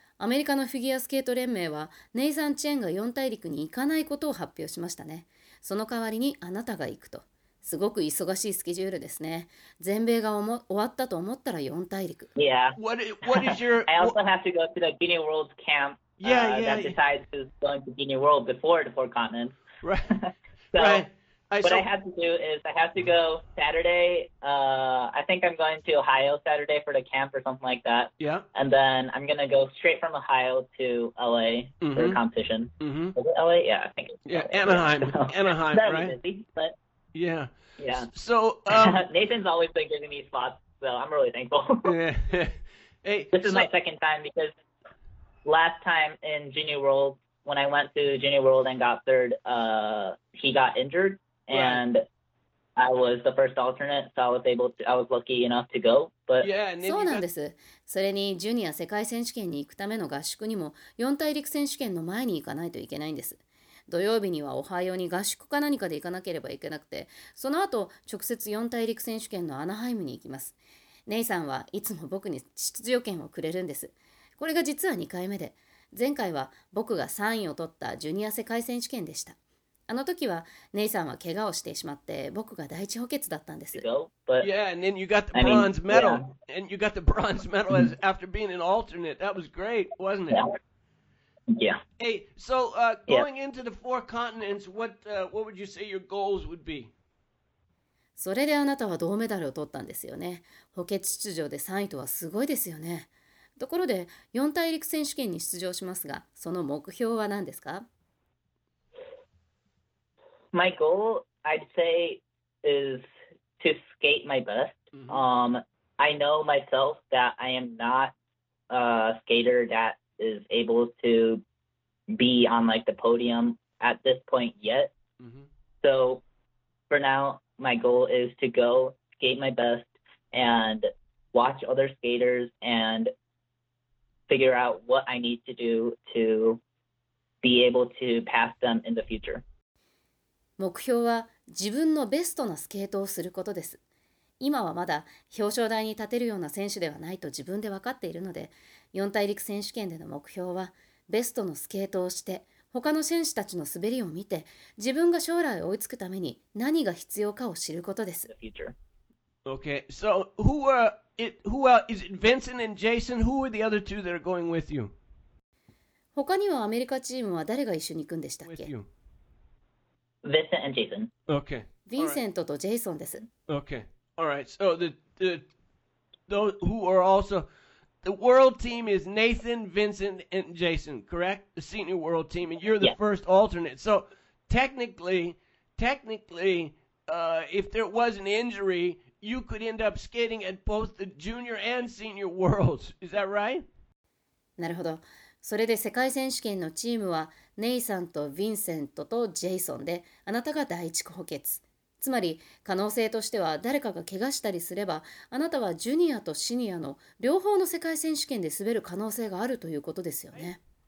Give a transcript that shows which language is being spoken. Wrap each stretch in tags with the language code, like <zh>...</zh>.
<ja>アメリカのフィギュアスケート連盟はネイサン・チェンが四大陸に行かないことを発表しましたね。その代わりにあなたが行くと。すごく忙しいスケジュールですね。全米が終わったと思ったら四大陸。</ja> <en>Yeah. What is your... I also have to go to the Guinea World Camp that decides who's going to Guinea World before the Four Continents. Right. What I have to do is I have to go Saturday. I think I'm going to Ohio Saturday for the camp or something like that. Yeah. And then I'm going to go straight from Ohio to LA for the competition. Mm-hmm. Is it LA? Yeah, I think it's LA. Anaheim. So, Anaheim, that'd right? That'd be busy, but... Yeah. Yeah. So... Nathan's always been giving me spots, so I'm really thankful. Yeah. Hey, this is my second time because last time in Junior World, when I went to Junior World and got third, he got injured. Right. And I was the first alternate, so I was lucky enough to go. But yeah,</en> <ja>そうなんです。それにジュニア世界選手権に行くための合宿にも四大陸選手権の前に行かないといけないんです。土曜日にはオハイオに合宿か何かで行かなければいけなくて、その後直接四大陸選手権のアナハイムに行きます。ネイさんはいつも僕に出場権をくれるんです。これが実は2回目で、前回は僕が3位を取ったジュニア世界選手権でした。あの時はネイさんは怪我をしてしまって、僕が第一補欠だったんです。</ja> <en>Yeah, and then you got the bronze medal. And you got the bronze medal as after being an alternate. That was great, wasn't it? Yeah. Hey, so going into the four continents, what would you say your goals would be?</en> <ja>それであなたは銅メダルを取ったんですよね。補欠出場で3位とはすごいですよね。ところで、四大陸選手権に出場しますが、その目標は何ですか？</ja> <en>My goal, I'd say, is to skate my best. I know myself that I am not a skater that is able to be on like the podium at this point yet. So for now, my goal is to go skate my best and watch other skaters and figure out what I need to do to be able to pass them in the future.</en> <ja>目標は自分のベストなスケートをすることです。今はまだ表彰台に立てるような選手ではないと自分で分かっているので、四大陸選手権での目標はベストのスケートをして、他の選手たちの滑りを見て、自分が将来追いつくために何が必要かを知ることです。</ja> <en>Okay, so who are Vincent and Jason? Who are the other two that are going with you?</en> <ja>他にはアメリカチームは誰が一緒に行くんでしたっけ？</ja> <en>Vincent and Jason. Okay.</en> <ja>Vincent とジェイソンです。</ja> <en>Okay. All right. So those who are also the world team is Nathan, Vincent, and Jason. Correct? The senior world team, and you're the first alternate. So technically, if there was an injury, you could end up skating at both the junior and senior worlds. Is that right?</en> <ja>なるほど。それで世界選手権のチームはネイサンとヴィンセントとジェイソンで、あなたが第一補欠。つまり可能性としては誰かが怪我したりすれば、あなたはジュニアとシニアの両方の世界選手権で滑る可能性があるということですよね。</ja>